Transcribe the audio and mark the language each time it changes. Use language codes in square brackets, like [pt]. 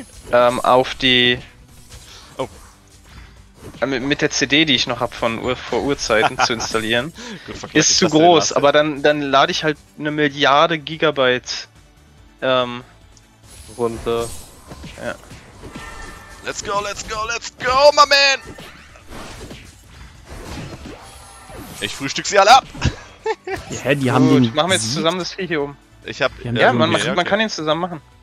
[de] auf die... mit der CD, die ich noch habe von vor Urzeiten zu installieren, ist zu groß, aber dann lade ich halt eine Milliarde Gigabyte runter. Ja. [en] Let's go, let's go, let's go, my man! [de] Ich frühstück sie alle ab! Ja, hä, die haben. Gut, den machen wir jetzt zusammen das Vieh hier oben. Ich hab. Ja, ja, man, okay. Man kann ihn zusammen machen.